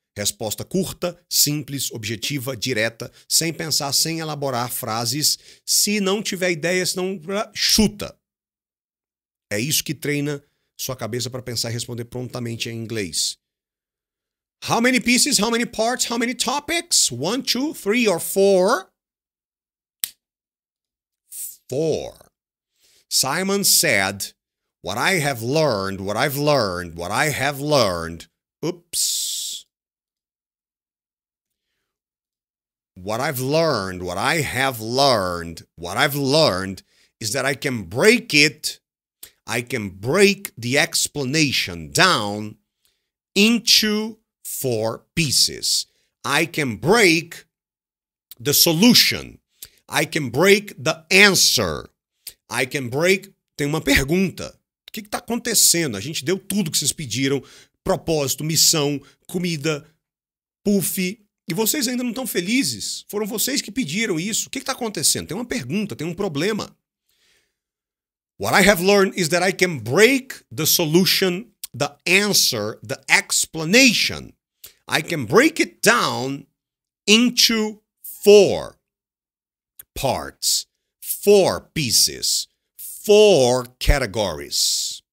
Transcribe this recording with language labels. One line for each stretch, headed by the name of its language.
Portuguese: Resposta curta, simples, objetiva, direta, sem pensar, sem elaborar frases. Se não tiver ideia, se não, chuta. É isso que treina sua cabeça para pensar e responder prontamente em inglês.
English: How many pieces, how many parts, how many topics? One, two, three, or four? Four. Simon said, what I have learned, what I've learned, what I have learned. Oops. What I've learned, what I have learned, what I've learned is that I can break it, I can break the explanation down into four pieces. I can break the solution. I can break the answer. I can break...
Portuguese: Tem uma pergunta. O que está acontecendo? A gente deu tudo que vocês pediram. Propósito, missão, comida, puff. E vocês ainda não estão felizes? Foram vocês que pediram isso. O que está acontecendo? Tem uma pergunta, tem um problema.
English: What I have learned is that I can break the solution, the answer, the explanation. I can break it down into four parts, four pieces, four categories.